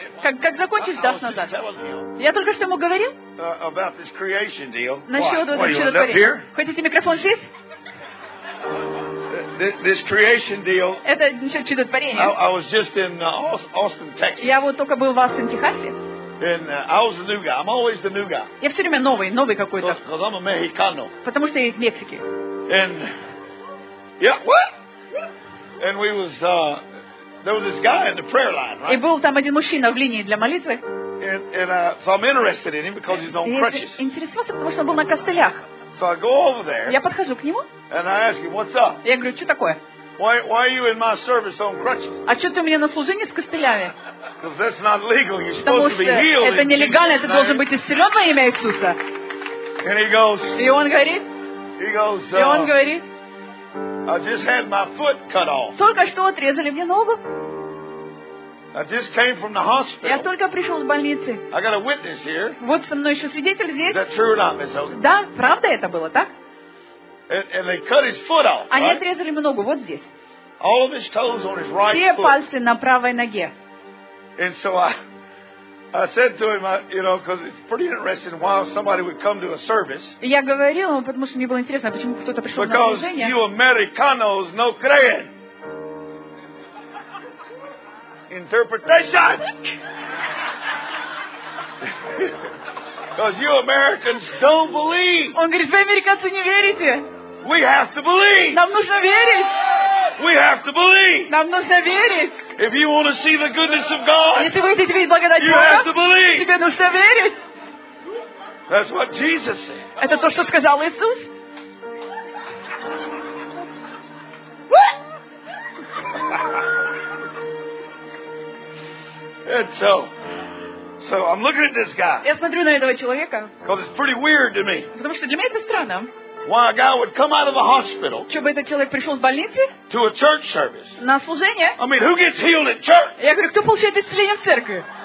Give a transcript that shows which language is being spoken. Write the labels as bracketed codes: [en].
[ru] Как закончишь, дашь назад. Я только что ему говорил. [en] About this creation deal. [ru] Насчет этого чудотворения. Хотите микрофон здесь? [en] This creation deal. [ru] Это насчет чудотворения. [en] I was just in Austin, Texas. [ru] Я вот только был в Austin, Техасе. [en] And I was the new guy. I'm always the new guy. [ru] Я все время новый какой-то. [en] Because I'm a Mexicano. [ru] Потому что я из Мексики. [en] And yeah, what? And we was. There was this guy in the prayer line, right? [ru] И был там один мужчина в линии для молитвы. [en] So I'm interested in him because he's on crutches. [ru] Интересовался, потому что он был на костылях. [en] So I go over there. [ru] Я подхожу к нему. [en] And I ask him, "What's up?" [ru] Я говорю, что такое? [en] Why are you in my service on crutches? [ru] А что ты у меня на служении с костылями? [en] Because that's not legal. You're supposed to be healed. [ru] Потому что это нелегально. Ты должен быть исцелен во имя Иисуса. [en] And he goes. [ru] И он говорит. [en] He goes. [ru] И он говорит. [en] I just had my foot cut off. [ru] Только что отрезали мне ногу. [en] I just came from the hospital. [ru] Я только пришел из больницы. [en] I got a witness here. [ru] Вот со мной еще свидетель здесь. [en] Is that true or not, Miss Hogan? [ru] Да, правда это было, так? [en] And they cut his foot off. [ru] Они отрезали мне ногу вот здесь. [en] All of his toes on his right foot. [ru] Все пальцы на правой ноге. [en] And so I said to him, you know, because it's pretty interesting why somebody would come to a service. [ru] Я говорил ему, потому что мне было интересно, почему кто-то пришел на служение. [en] Because you Americanos [es] no creen. [en] Interpretation. Because you Americans don't believe. [ru] Он говорит, вы американцы не верите. [en] We have to believe. [ru] Нам нужно верить. [en] We have to believe. [ru] Нам нужно верить. [en] If you want to see the goodness of God, [ru] если вы хотите видеть благодать Бога, [en] you have to believe. [ru] Тебе нужно верить. [en] That's what Jesus said. [ru] Это то, что сказал Иисус. [en] And so I'm looking at this guy. [ru] Я смотрю на этого человека. [en] Because it's pretty weird to me. [ru] Потому что для меня это странно. [en] Why a guy would come out of a hospital? [ru] Чтобы этот человек пришел с больницы? [en] To a church service? [ru] На служение? [en] I mean, who gets healed at church? [ru] Я говорю, кто получает исцеление в церкви?